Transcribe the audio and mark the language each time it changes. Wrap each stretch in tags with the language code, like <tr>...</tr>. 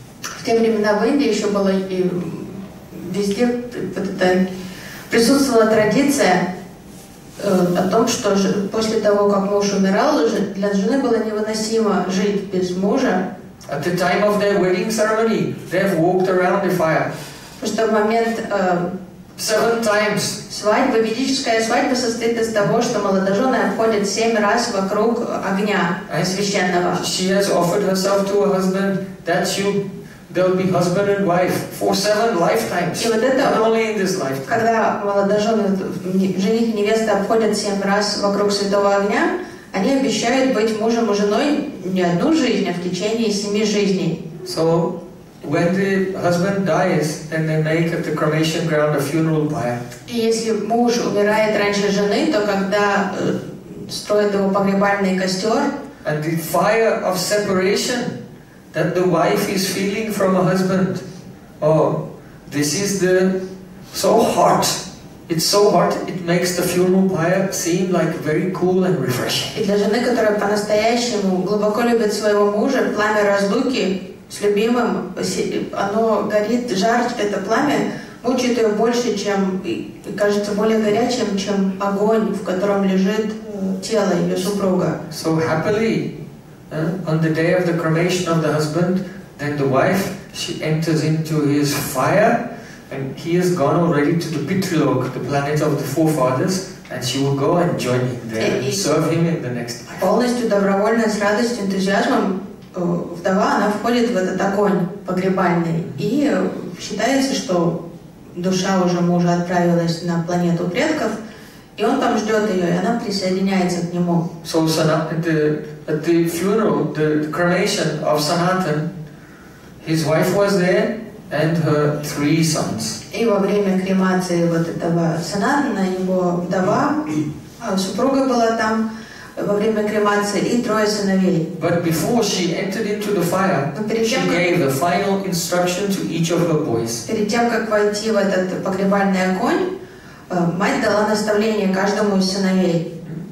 <ru>В те времена в Индии еще было и везде присутствовала традиция о том, что после того, как муж умирал, для жены было невыносимо жить без мужа.</ru> <en>At the time of their wedding ceremony, they've walked around the fire.</en> <ru>Что в момент</ru> <en>seven times.</en> <ru>Свадьба, ведическая свадьба состоит из того, что молодожены обходят семь раз вокруг огня священного.</ru> <en>She has offered herself to a husband that they'll be husband and wife for seven lifetimes.</en> <ru>И вот это</ru> <en>not only in this lifetime.</en> <ru>Когда молодожены, жених и невеста обходят семь раз вокруг святого огня, они обещают быть мужем и женой не одну жизнь, а в течение семи жизней.</ru> <en>So, when the husband dies, then they make at the cremation ground a funeral pyre.</en> <ru>И если муж умирает раньше жены, то когда строят его погребальный костер.</ru> <en>And the fire of separation that the wife is feeling from her husband. Oh, this is so hot. It's so hot, it makes the funeral pyre seem like very cool and refreshing.</en> <ru>И для жены, которая по-настоящему глубоко любит своего мужа, пламя разлуки с любимым, оно горит жарче, это пламя мучает ее больше, чем, кажется, более горячим, чем огонь, в котором лежит тело ее супруга.</ru> <en>So happily, on the day of the cremation of the husband, then the wife, she enters into his fire, and he has gone already to the Pitrilok, the planet of the forefathers, and she will go and join him there and serve him in the next life.</en> <ru>Полностью добровольно, с радостью, энтузиазмом вдова, она входит в этот огонь погребальный. И считается, что душа уже мужа отправилась на планету предков, и он там ждет ее, и она присоединяется к нему.</ru> <en>So at the funeral, the cremation of Sanatan, his wife was there, and her three sons.</en> <ru>И во время кремации вот этого Санатана, его вдова, супруга была там во время кремации и трое сыновей.</ru> <en>But before she entered into the fire, she gave the final instruction to each of her boys.</en> <ru>Перед тем, как войти в этот погребальный огонь, мать дала наставление каждому из сыновей.</ru>